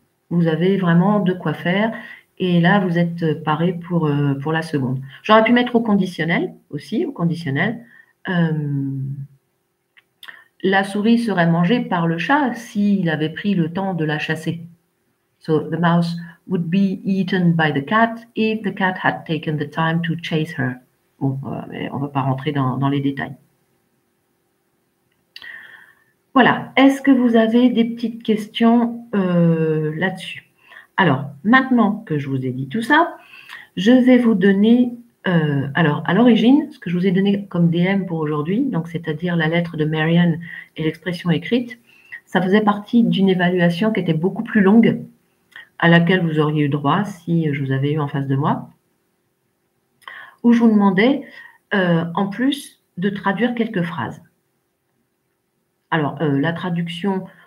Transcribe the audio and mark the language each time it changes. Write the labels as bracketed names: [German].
[French] Vous avez vraiment de quoi faire. Et là, vous êtes paré pour la seconde. J'aurais pu mettre au conditionnel aussi, au conditionnel. La souris serait mangée par le chat s'il avait pris le temps de la chasser. [English] So, the mouse would be eaten by the cat if the cat had taken the time to chase her. [French] Bon, mais on ne va pas rentrer dans les détails. Voilà, est-ce que vous avez des petites questions là-dessus? Alors, maintenant que je vous ai dit tout ça, je vais vous donner, alors à l'origine, ce que je vous ai donné comme DM pour aujourd'hui, donc c'est-à-dire la lettre de Marianne et l'expression écrite, ça faisait partie d'une évaluation qui était beaucoup plus longue, à laquelle vous auriez eu droit si je vous avais eu en face de moi, où je vous demandais, en plus, de traduire quelques phrases. Alors, la traduction